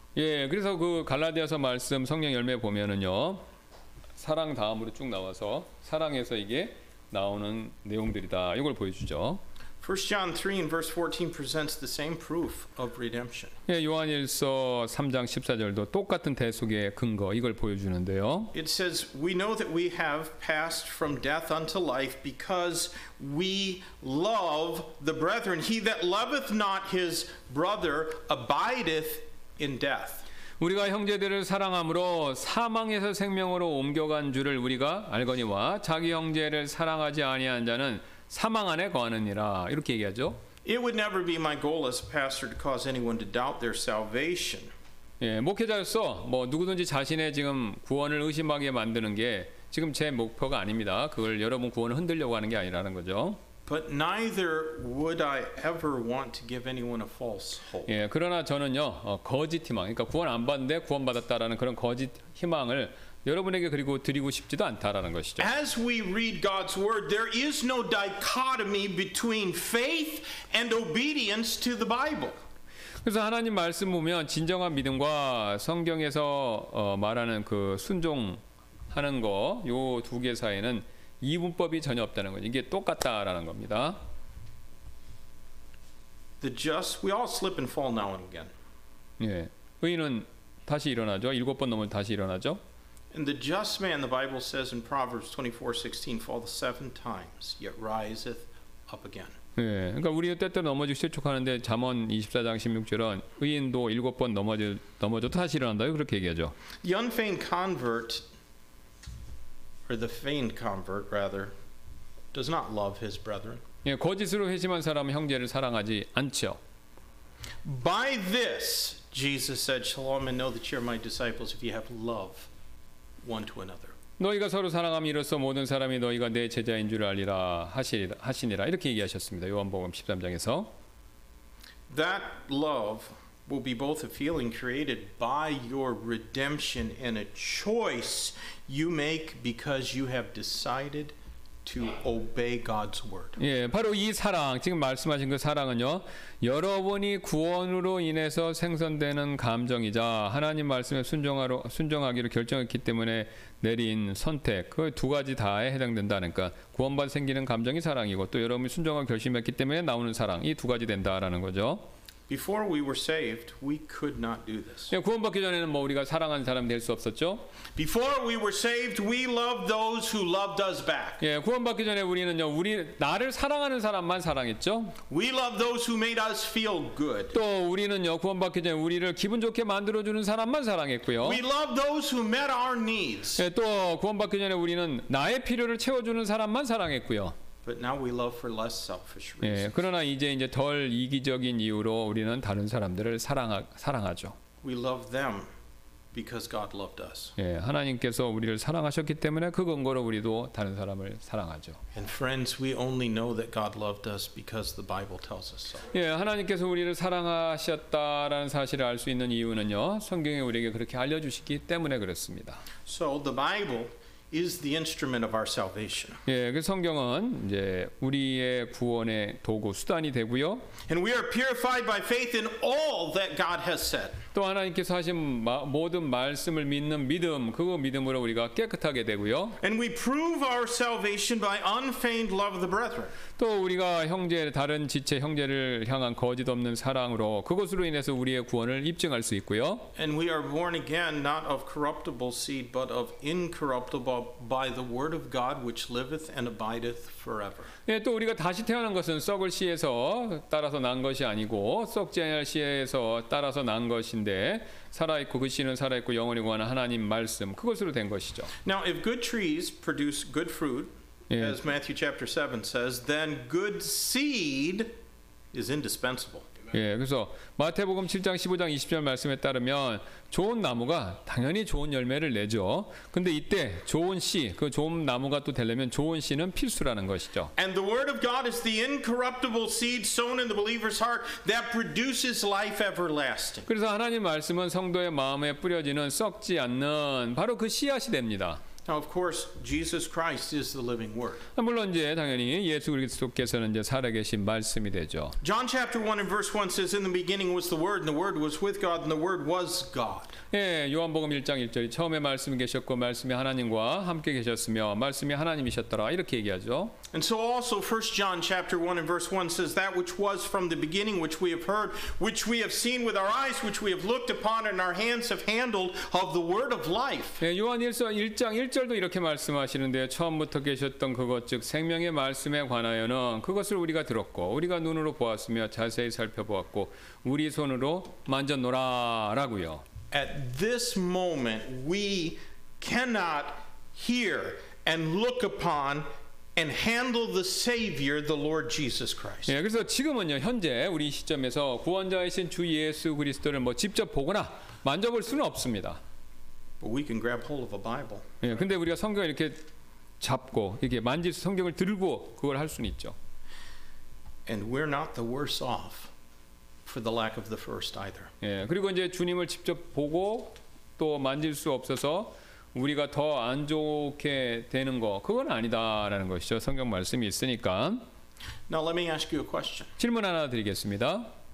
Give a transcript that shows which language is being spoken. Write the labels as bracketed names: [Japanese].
[Korean] 예, 그래서 그 갈라디아서 말씀 성령 열매 보면은요, 사랑 다음으로 쭉 나와서 사랑에서 이게 나오는 내용들이다. 이걸 보여주죠. [English] 1 John 3 and verse 14 presents the same proof of redemption. [Korean] 예, 요한일서 3장 14절도 똑같은 대속의 근거 이걸 보여주는데요. [English] It says, "We know that we have passed from death unto life because we love the brethren. He that loveth not his brother abideth in death." [Korean] 우리가 형제들을 사랑함으로 사망에서 생명으로 옮겨간 줄을 우리가 알거니와 자기 형제를 사랑하지 아니한 자는 사망 안에 거하느니라 이렇게 얘기하죠. [English] It would never be my goal as a pastor to cause anyone to doubt their salvation. [Korean] 예, 목회자로서 뭐 누구든지 자신의 지금 구원을 의심하게 만드는 게 지금 제 목표가 아닙니다. 그걸 여러분 구원을 흔들려고 하는 게 아니라는 거죠. [English] But neither would I ever want to give anyone a false hope. [Korean] 예, 그러나 저는요 거짓 희망, 그러니까 구원 안 받는데 구원 받았다라는 그런 거짓 희망을 여러분에게 그리고 드리고 싶지도 않다라는 것이죠. [English] As we read God's word, there is no dichotomy between faith and obedience to the Bible. [Korean] 그래서 하나님 말씀 보면 진정한 믿음과 성경에서 말하는 그 순종하는 거 요 두 개 사이에는 이분법이 전혀 없다는 거죠. 이게 똑같다라는 겁니다. [English] The just, we all slip and fall now and again. [Korean] 예, 의인은 다시 일어나죠. 일곱 번 넘으면 다시 일어나죠. [English] And the just man, the Bible says in Proverbs 24:16, falls seven times, yet riseth up again. [Korean] 예, 그러니까 우리는 때때로 넘어지고 실족하는데 잠언 24장 16절은 의인도 일곱 번 넘어져도 다시 일어난다요. 그렇게 얘기하죠. [English] The unfeigned convert, or the feigned convert rather, does not love his brethren. [Korean] 예, 거짓으로 회심한 사람은 형제를 사랑하지 않죠. [English] By this, Jesus said, "Shall all men know that you are my disciples if you have love." One to another. [Korean] 너희가 서로 사랑함이 이로써 모든 사람이 너희가 내 제자인 줄 알리라 하시니라 이렇게 얘기하셨습니다. 요한복음 13장에서. [English] That love will be both a feeling created by your redemption and a choice you make because you have decided to obey God's word. [Korean] 예, 바로 이 사랑, 지금 말씀하신 그 사랑은요. 여러분이 구원으로 인해서 생성되는 감정이자 하나님 말씀에 순종하기로 결정했기 때문에 내린 선택 그 두 가지 다에 해당된다는 그러니까 구원받아 생기는 감정이 사랑이고 또 여러분이 순종하고 결심했기 때문에 나오는 사랑 이 두 가지 된다라는 거죠. [English] Before we were saved, we could not do this. [Korean] 예, 구원받기 전에는 뭐 우리가 사랑하는 사람 될 수 없었죠. [English] Before we were saved, we loved those who loved us back. [Korean] 예, 구원받기 전에 우리는요, 우리 나를 사랑하는 사람만 사랑했죠. [English] We loved those who made us feel good. [Korean] 또 우리는요, 구원받기 전에 우리를 기분 좋게 만들어 주는 사람만 사랑했고요. [English] We loved those who met our needs. [Korean] 예, 또 구원받기 전에 우리는 나의 필요를 채워 주는 사람만 사랑했고요. [English] But now we love for less selfish reasons. [Korean] 예, 그러나 이제 덜 이기적인 이유로 우리는 다른 사람들을 사랑하죠. [English] We love them because God loved us. [Korean] 예, 하나님께서 우리를 사랑하셨기 때문에 그 근거로 우리도 다른 사람을 사랑하죠. [English] And friends, we only know that God loved us because the Bible tells us so. [Korean] 예, 하나님께서 우리를 사랑하셨다라는 사실을 알 수 있는 이유는요, 성경이 우리에게 그렇게 알려주시기 때문에 그렇습니다. [English] So the Bible is the instrument of our salvation. [Korean] 예, 그 성경은 이제 우리의 구원의 도구 수단이 되고요. [English] And we are purified by faith in all that God has said. [Korean] 또 하나님께서 하신 모든 말씀을 믿는 믿음, 그 믿음으로 우리가 깨끗하게 되고요. [English] And we prove our salvation by unfeigned love of the brethren. [Korean] 또 우리가 형제 다른 지체 형제를 향한 거짓 없는 사랑으로 그것으로 인해서 우리의 구원을 입증할 수 있고요. [English] And we are born again not of corruptible seed but of incorruptible by the word of God which liveth and abideth forever. [Korean] 예, 또 우리가 다시 태어난 것은 썩을 씨에서 따라서 난 것이 아니고 썩지 않을 씨에서 따라서 난 것인데 살아 있고 그 씨는 살아 있고 영원히 구하는 하나님 말씀 그것으로 된 것이죠. [English] Now if good trees produce good fruit, 예. as Matthew chapter 7 says, then good seed is indispensable. [Korean] 예, 그래서 마태복음 7장 15장 20절 말씀에 따르면 좋은 나무가 당연히 좋은 열매를 내죠. 근데 이때 좋은 씨, 그 좋은 나무가 또 되려면 좋은 씨는 필수라는 것이죠. [English] And the word of God is the incorruptible seed sown in the believer's heart that produces life everlasting. [Korean] 그래서 하나님 말씀은 성도의 마음에 뿌려지는 썩지 않는 바로 그 씨앗이 됩니다. [English] Now, of course, Jesus Christ is the living word. [Korean] 물론 이제 당연히 예수 그리스도께서는 이제 살아계신 말씀이 되죠. [English] John chapter 1 and verse 1 says, "In the beginning was the Word, and the Word was with God, and the Word was God." [Korean] 예, 요한복음 1장 1절이 처음에 말씀이 계셨고 말씀이 하나님과 함께 계셨으며 말씀이 하나님이셨더라 이렇게 얘기하죠. [English] And so also 1 John chapter 1 and verse 1 says that which was from the beginning which we have heard which we have seen with our eyes which we have looked upon and our hands have handled of the word of life. [Korean] 예, 요한일서 1장 1절도 이렇게 말씀하시는데 처음부터 계셨던 그것 즉 생명의 말씀에 관하여는 그것을 우리가 들었고 우리가 눈으로 보았으며 자세히 살펴보았고 우리 손으로 만졌노라라고요. [English] At this moment we cannot hear and look upon and handle the Savior, the Lord Jesus Christ. [Korean] 예, 그래서 지금은요, 현재 우리 시점에서 구원자이신 주 예수 그리스도를 뭐 직접 보거나 만져볼 수는 없습니다. [English] But we can grab hold of a Bible. [Korean] 예, 근데 우리가 성경을 이렇게 잡고 이렇게 만질 성경을 들고 그걸 할 수는 있죠. [English] And we're not the worse off for the lack of the first either. [Korean] 예, 그리고 이제 주님을 직접 보고 또 만질 수 없어서. 우리가 더 안 좋게 되는 거 그건 아니다라는 것이죠. 성경 말씀이 있으니까. [English] Now let me ask you a question. [Korean] 질문 하나 드리겠습니다.